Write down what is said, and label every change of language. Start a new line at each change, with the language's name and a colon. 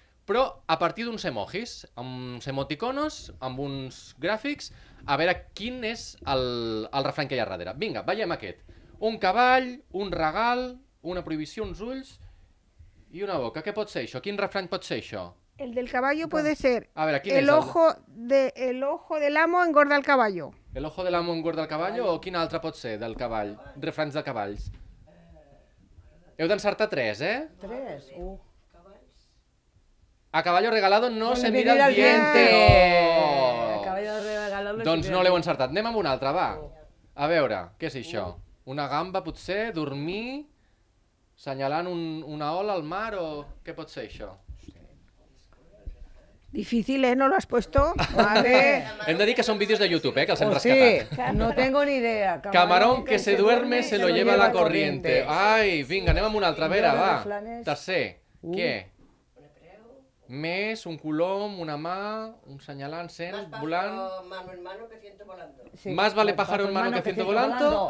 Catalan: Però a partir d'uns emojis, amb uns emoticonos, amb uns gràfics, a veure quin és el refrany que hi ha darrere. Vinga, veiem aquest. Un cavall, un regal, una prohibició, uns ulls i una boca. Què pot ser això? Quin refrany pot ser això?
Spanish: El del caballo puede ser. A ver, el ojo el ojo del amo engorda el caballo. El ojo del amo engorda el caballo,
Catalan: o quin altre pot ser del cavall? Refranys de cavalls. Heu d'encertar 3, eh? 3.
Spanish: A caballo regalado no se mira el diente. A caballo regalado.
Catalan: Doncs no l'heu encertat. Anem amb un altre, va. A veure, què és això? Una gamba potser, dormir, senyalant una ola al mar, o què pot ser això?
Spanish: Difícil, ¿eh? ¿No lo has puesto?
Catalan: Hem de dir que són vídeos de YouTube, que els hem rescatat.
Spanish: Sí, no tengo ni idea. Camarón que se duerme se lo lleva la corriente.
Catalan: Ai, vinga, anem amb una altra, a veure, va. Tercer, què? Més, un colom, una mà, un senyalant, sent, volant.
Spanish: Más pájaro mano en mano que ciento volando. Sí. Más vale pájaro en mano que ciento volando.